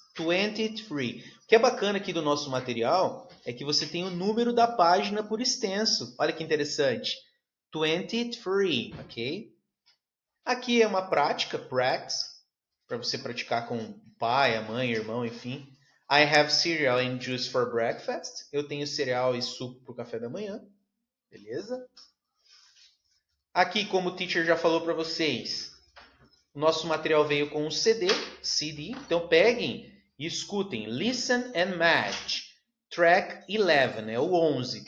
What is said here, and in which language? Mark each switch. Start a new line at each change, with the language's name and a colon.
Portuguese: 23. O que é bacana aqui do nosso material é que você tem o número da página por extenso. Olha que interessante. 23, ok? Aqui é uma prática, practice, para você praticar com o pai, a mãe, irmão, enfim.
English: I have cereal and juice for breakfast.
Portuguese: Eu tenho cereal e suco para o café da manhã. Beleza? Aqui, como o teacher já falou para vocês, o nosso material veio com um CD, CD. Então, peguem Escutem.
English: Listen and match.
Portuguese: Track 11. É o 11.